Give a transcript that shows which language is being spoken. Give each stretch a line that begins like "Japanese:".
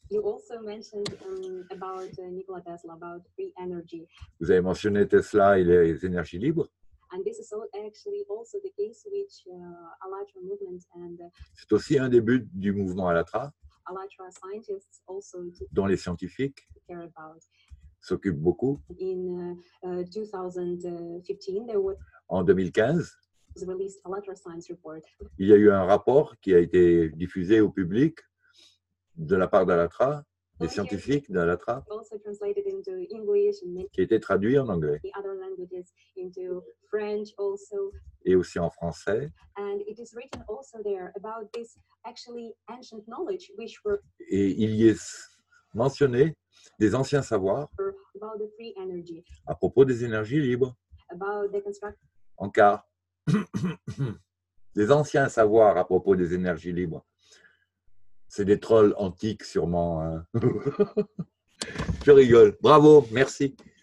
English: You also mentioned about Nikola Tesla, about free energy.
French: Vous avez mentionné Tesla et les énergies libres.
English: And this is actually also the case which Alatra movement and
French: c'est aussi un des buts du mouvement Alatra.
English: Alatra scientists also
French: dont les scientifiques
English: care about
French: s'occupent beaucoup.
English: In 2015 there was
French: en 2015
English: released Alatra science report.
French: Il y a eu un rapport qui a été diffusé au public de la part d'Alatra, des scientifiques d'Alatra,
English: also translated into English,
French: qui était traduit en anglais,
English: other languages into French also,
French: et aussi en français.
English: And it is written also there about this actually ancient knowledge which were
French: et il y est mentionné des anciens savoirs
English: about the free energy,
French: à propos des énergies libres,
English: about the
French: en car des anciens savoirs à propos des énergies libres. C'est des trolls antiques, sûrement. Hein. Je rigole. Bravo, merci.